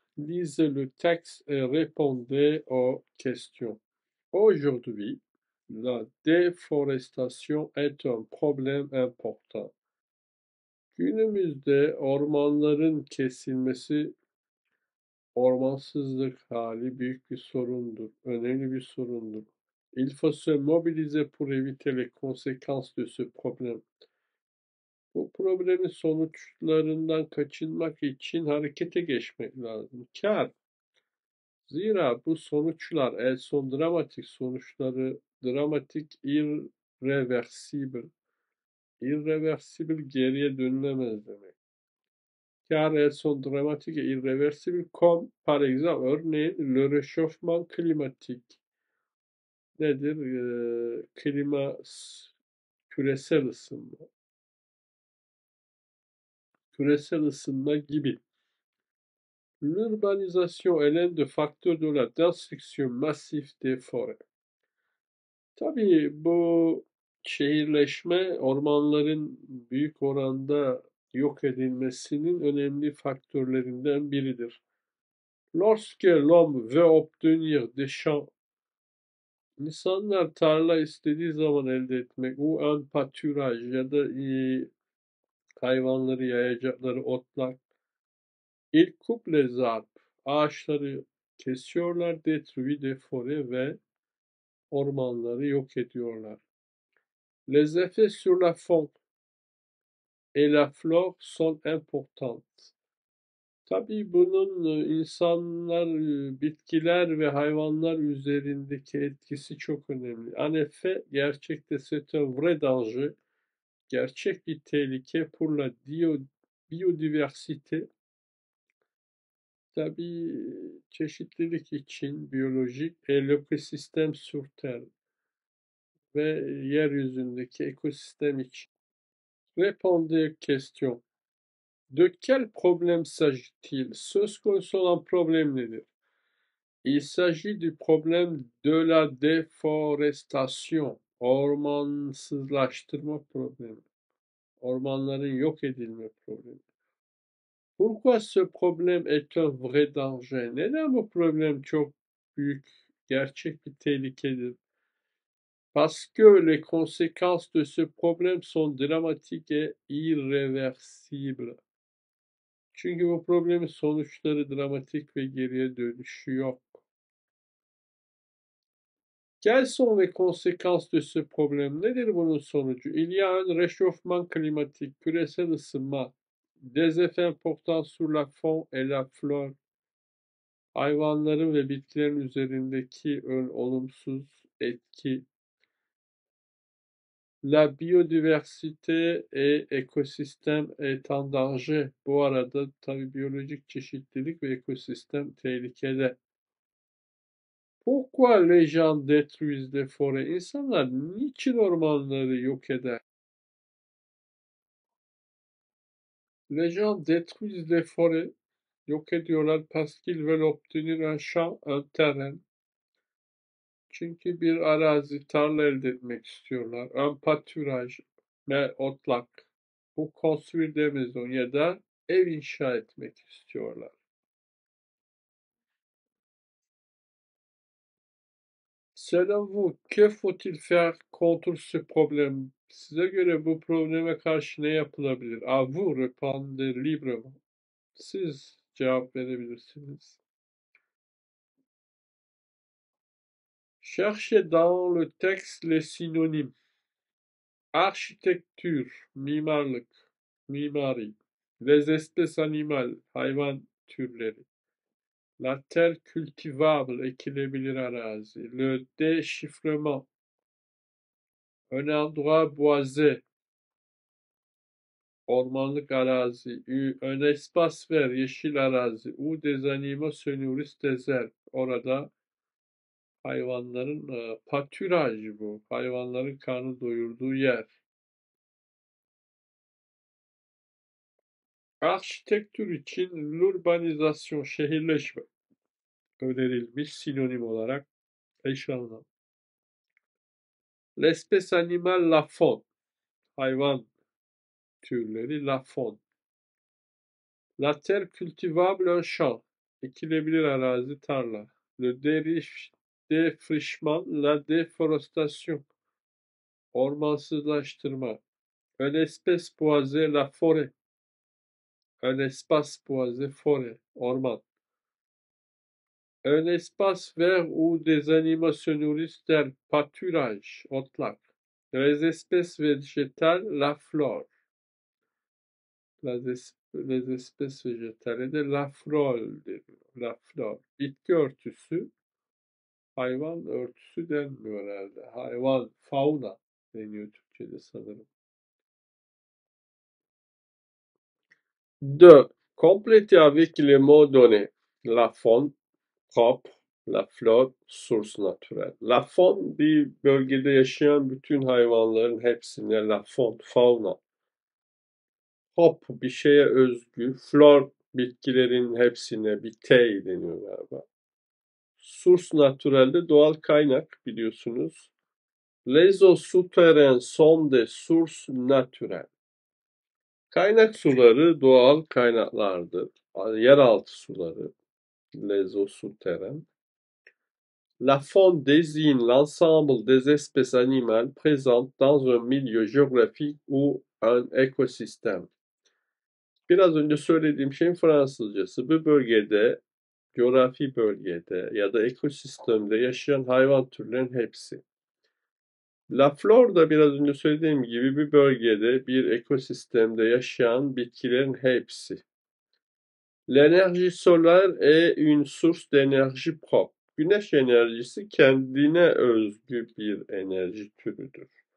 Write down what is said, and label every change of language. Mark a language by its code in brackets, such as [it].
[fr] Lisez le texte et répondez aux questions. Aujourd'hui, la déforestation est un problème important. [tr] Günümüzde ormanların kesilmesi, ormansızlık hali büyük bir sorundur, önemli bir sorundur. [fr] Il faut se mobiliser pour éviter les conséquences de ce problème. [tr] Bu problemin sonuçlarından kaçınmak için harekete geçmek lazım. Kâr. Zira bu sonuçlar en son dramatik sonuçları, dramatik irreversible. Irreversible geriye dönülemez demek. Kâr en son dramatik [fr] et irreversible comme par exemple [tr] örneğin [fr] le réchauffement climatique. [tr] Nedir? Klima, küresel ısınma. Küresel ısınma gibi. [fr] L'urbanisation est l'un des facteurs de la destruction massive des forêts. [tr] Tabii bu şehirleşme ormanların büyük oranda yok edilmesinin önemli faktörlerinden biridir. [fr] Lorsque l'homme veut obtenir des champs, [tr] insanlar tarla istediği zaman elde etmek, [fr] ou un pâturage [tr] ya da hayvanları yayacakları otlar. [fr] Il coupe les arbres. [tr] Ağaçları kesiyorlar, [fr] détruit des forêts [tr] ve ormanları yok ediyorlar. [fr] Les effets sur la faune et la flore sont importants. [tr] Tabii bunun insanlar, bitkiler ve hayvanlar üzerindeki etkisi çok önemli. [fr] En effet, [tr] gerçekte [fr] c'est un vrai danger. [tr] Gerçek bir tehlike [fr] pour la biodiversité. [tr] Tabi çeşitlilik için biyolojik ekosistem [fr] sur terre [tr] ve yeryüzündeki ekosistem için. [fr] Répondez aux questions. De quel problème s'agit-il? [tr] Söz konusu olan problem nedir? [fr] Il s'agit du problème de la déforestation. [tr] Ormansızlaştırma problemi. Ormanların yok edilme problemi. [fr] Pourquoi ce problème est un vrai danger? [tr] Neden bu problem çok büyük, gerçek bir tehlikedir? [fr] Parce que les conséquences de ce problème sont dramatiques et irréversibles. [tr] Çünkü bu problemin sonuçları dramatik ve geriye dönüşü yok. [fr] Quelles sont les conséquences de ce problème? [tr] Nedir bunun sonucu? [fr] Il y a un réchauffement climatique, [tr] küresel ısınma. [fr] Des effets importants sur la faune et la flore. [tr] Hayvanların ve bitkilerin üzerindeki olumsuz etki. [fr] La biodiversité et écosystème est en danger. [tr] Bu arada tabi biyolojik çeşitlilik ve ekosistem tehlikede. [fr] Pourquoi les gens détruisent les forêts? [tr] İnsanlar niçin ormanları yok eder? [fr] Les gens détruisent les forêts, [tr] yok ediyorlar, [fr] parce qu'ils veulent obtenir un champ, un terrain. [tr] Çünkü bir arazi, tarla elde etmek istiyorlar. [fr] Un pâturage, [tr] ve otlak. Bu [fr] construire des maisons [tr] ya da ev inşa etmek istiyorlar. [fr] Selon vous, que faut-il faire contre ce problème? [tr] Size göre bu probleme karşı ne yapılabilir? [fr] A vous répondez librement. [tr] Siz cevap verebilirsiniz. [fr] Cherchez dans le texte les synonymes. Architecture, [tr] mimarlık, mimari. [fr] Les espèces animales, [tr] hayvan türleri. [fr] La terre cultivable, [tr] ekilebilir arazi. [fr] Le déchiffrement. Un endroit boisé, [tr] ormanlık arazi, [fr] un espace vert, [tr] yeşil arazi, [fr] ou des animaux se nourrissent désert, [tr] orada hayvanların [fr] pâturage [tr] bu, hayvanların karnı doyurduğu yer. Architecture için l'urbanisation, şehirleşme, önerilmiş sinonim olarak, eş anlamı. [fr] L'espèce animale la faune. [tr] Hayvan türleri [fr] la faune. La terre cultivable un champ. [tr] Ekilebilir arazi, tarla. [fr] Le défrichement, la déforestation. [tr] Ormansızlaştırma. [fr] Un espace boisé, la forêt. Un espace boisé, forêt, orman. Un espace vert où des animaux se nourrissent, der pâturage, otlak. Les espèces végétales, la flore. Les espèces végétales de la flore, la flore. [tr] Bitki örtüsü, hayvan örtüsü denmiyor herhalde. Hayvan, fauna deniyor Türkçe'de sanırım. [fr] De, complétez avec les mots donnés. La faune, propre, la flore, source naturelle. [tr] La faune, bir bölgede yaşayan bütün hayvanların hepsine, la faune, fauna. Hop, bir şeye özgü. Flor, bitkilerin hepsine, bitey deniyor galiba. Source naturelle, doğal kaynak biliyorsunuz. [fr] Les eaux souterraines sont des sources naturelles. [tr] Kaynak suları doğal kaynaklardır. Yeraltı suları. [fr] Les eaux souterraines. La faune désigne l'ensemble des espèces animales présentes dans un milieu géographique ou un écosystème. [tr] Biraz önce söylediğim şeyin Fransızcası. Bir bölgede, coğrafi bölgede ya da ekosistemde yaşayan hayvan türlerinin hepsi. La flore da biraz önce söylediğim gibi bir bölgede, bir ekosistemde yaşayan bitkilerin hepsi. [fr] L'énergie solaire est une source d'énergie propre. [tr] Güneş enerjisi kendine özgü bir enerji türüdür.